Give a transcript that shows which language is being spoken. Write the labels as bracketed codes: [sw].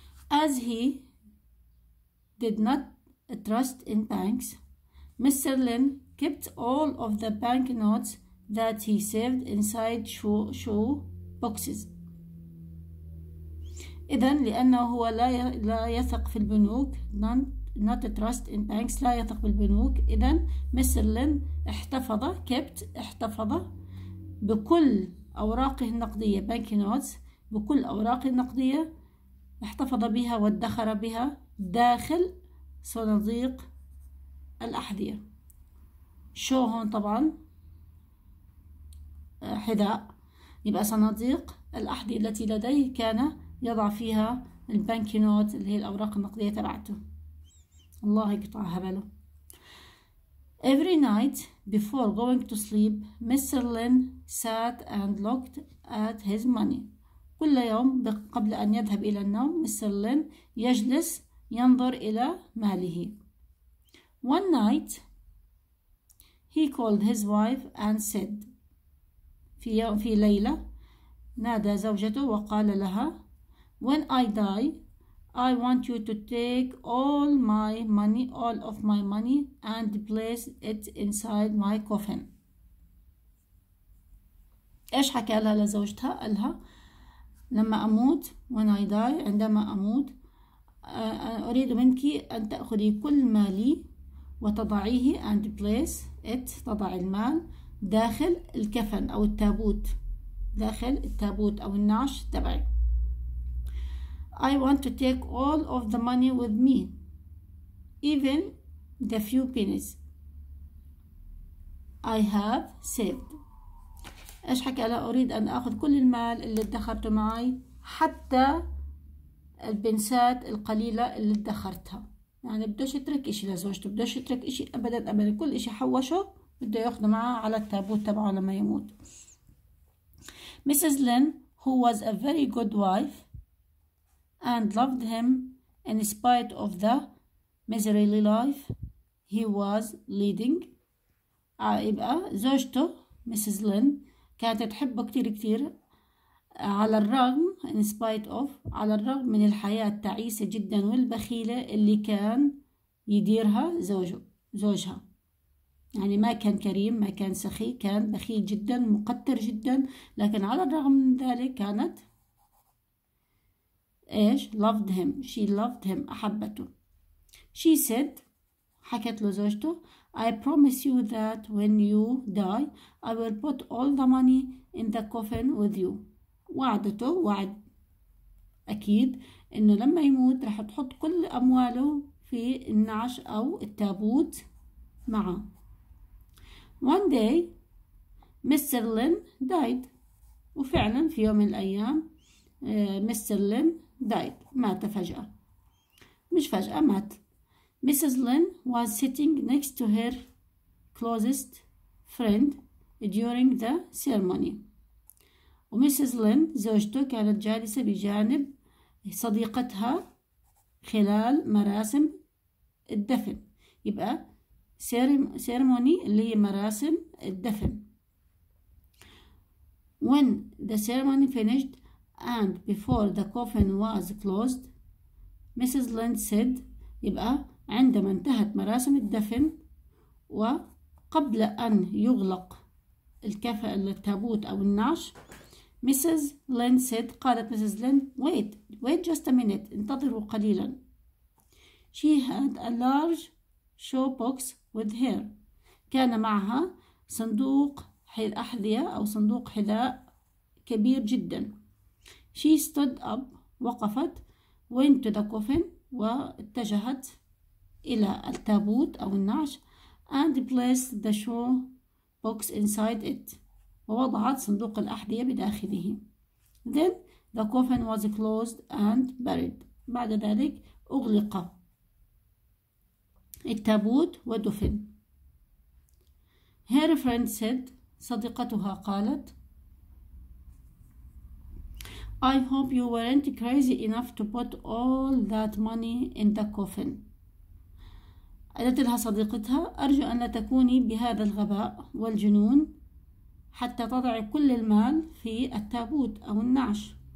[en] As he did not trust in banks, Mr. Lin kept all of the bank notes that he saved inside shoe boxes. [ar] إذن لأنه هو لا يثق في البنوك، [en] not trust in banks، [ar] لا يثق بالبنوك، إذن مستر لين احتفظ احتفظ بكل أوراقه النقدية، [en] bank notes، [ar] بكل أوراقه النقدية احتفظ بها وادخر بها داخل صناديق الأحذية. شو هون؟ طبعا حذاء. يبقى صناديق الأحذية التي لديه كان يضع فيها البنك نوت اللي هي الأوراق النقدية تبعته. الله يقطع هبله. [en] Every night before going to sleep, Mr. Lin sat and looked at his money. [ar] كل يوم قبل أن يذهب إلى النوم، مستر لين يجلس ينظر إلى ماله. [en] One night he called his wife and said، [ar] في ليلة نادى زوجته وقال لها: [en] When I die I want you to take all my money, all of my money and place it inside my coffin. [ar] إيش حكى لها لزوجتها؟ قالها لما أموت، [en] when I die، [ar] عندما أموت أريد منك أن تأخذي كل مالي وتضعيه، [en] and place it، [ar] تضع المال داخل الكفن أو التابوت، داخل التابوت أو النعش تبعي. [en] I want to take all of the money with me، even the few pennies I have saved. [ar] إيش حكى لها؟ أريد أن أخذ كل المال اللي ادخرته معي، حتى البنسات القليلة اللي ادخرتها، يعني بدوش يترك إشي لزوجته، بدوش يترك إشي أبدا أبدا، كل إشي حوشه بده ياخده معه على التابوت تبعه لما يموت. [en] Mrs. Lin, who was a very good wife and loved him in spite of the miserly life he was leading. [ar] يبقى زوجته Mrs. Lin كانت تحبه كتير كتير، على الرغم [en] in spite of، [ar] على الرغم من الحياة التعيسة جدا والبخيلة اللي كان يديرها زوجها. يعني ما كان كريم، ما كان سخي، كان بخيل جدا، مقتر جدا، لكن على الرغم من ذلك كانت ايش [en] loved him، she loved him، [ar] أحبته. [en] She said، [ar] حكت له زوجته: [en] I promise you that when you die I will put all the money in the coffin with you. [ar] وعدته، وعد أكيد إنه لما يموت راح تحط كل أمواله في النعش أو التابوت معه. [en] One day Mr. Lin died. [ar] وفعلا في يوم من الأيام [en] Mr. Lin died، [ar] مات فجأة، مش فجأة، مات. [en] Mrs. Lin was sitting next to her closest friend during the ceremony. [ar] ومسز لين زوجته كانت جالسة بجانب صديقتها خلال مراسم الدفن. يبقى ceremony اللي هي مراسم الدفن. [en] When the ceremony finished and before the coffin was closed, Mrs. Lin said، [ar] يبقى عندما انتهت مراسم الدفن وقبل أن يغلق الكفن التابوت أو النعش، [en] Mrs. Lin said, [ar] قالت [en] Mrs. Lin, wait, wait just a minute, [ar] انتظروا قليلا. [en] She had a large show box with her. [ar] كان معها صندوق أحذية أو صندوق حذاء كبير جدا. [en] She stood up, [ar] وقفت, [en] went to the coffin, [ar] واتجهت إلى التابوت أو النعش, [en] and placed the show box inside it. [ar] ووضعت صندوق الأحذية بداخله. [en] Then the coffin was closed and buried. [ar] بعد ذلك أغلق التابوت ودفن. [en] Her friend said, [ar] صديقتها قالت, [en] I hope you weren't crazy enough to put all that money in the coffin. [ar] قالت لها صديقتها, أرجو أن لا تكوني بهذا الغباء والجنون حتى تضعي كل المال في التابوت أو النعش.